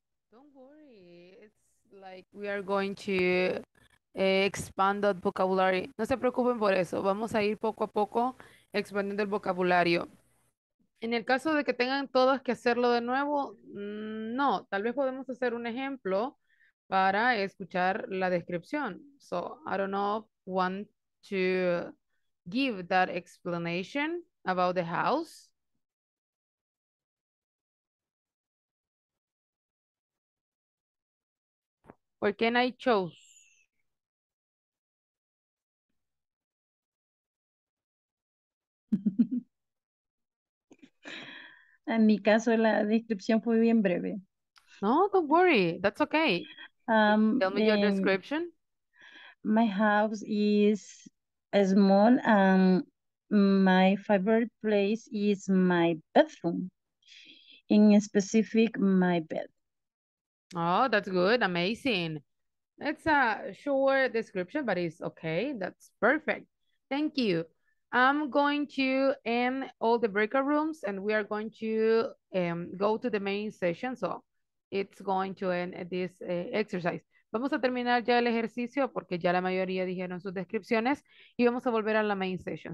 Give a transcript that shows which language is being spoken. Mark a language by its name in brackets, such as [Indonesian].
[English] Don't worry, it's like we are going to expand that vocabulary. [Spanish] No se preocupen por eso, vamos a ir poco a poco expandiendo el vocabulario. En el caso de que tengan todas que hacerlo de nuevo, no, tal vez podemos hacer un ejemplo para escuchar la descripción. [English] So, I don't know, want to give that explanation about the house. Or can I choose? [Spanish] En mi caso, la descripción fue bien breve. [English] No, don't worry. That's okay. Tell me your description. My house is small and my favorite place is my bedroom, in specific, my bed. Oh, that's good. Amazing. It's a short description, but it's okay. That's perfect. Thank you. I'm going to end all the breakout rooms and we are going to go to the main session. So it's going to end this exercise. [Spanish] Vamos a terminar ya el ejercicio porque ya la mayoría dijeron sus descripciones y vamos a volver a la [English] main session.